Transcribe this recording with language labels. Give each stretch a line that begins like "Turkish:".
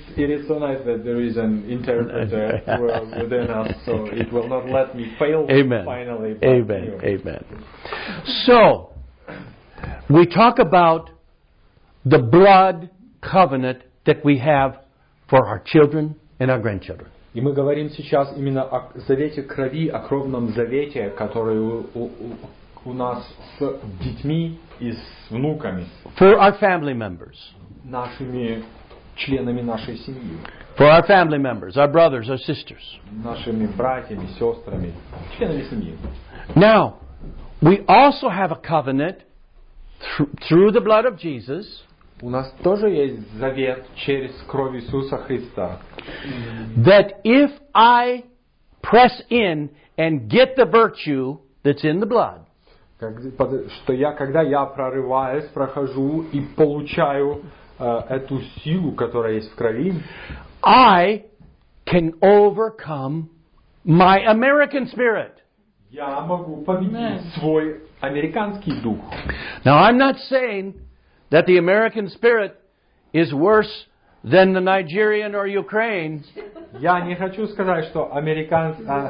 English: It is so nice that there is an interpreter within us, so it will not let me fail Amen. Finally. Amen. Anyway. Amen. So, we talk about the blood covenant that we have for our children and our grandchildren.
Russian: И мы говорим сейчас именно о завете крови, о кровном завете, который у нас с детьми и с внуками.
English: For our family members.
Russian: Нашими членами нашей семьи.
English: For our family members, our brothers, our sisters.
Russian: Нашими братьями, сестрами, членами семьи.
English: Now, we also have a covenant through the blood of Jesus.
Russian: У нас тоже есть завет через кровь Иисуса Христа.
English: That if I press in and get the virtue that's in the blood,
Russian: что я когда я прорываюсь, прохожу и получаю эту силу, которая есть в крови,
English: I can overcome my American spirit.
Russian: Я могу победить свой американский дух.
English: Now I'm not saying that the American spirit is worse than the Nigerian or Ukraine.
Russian: Я не хочу сказать, что американский.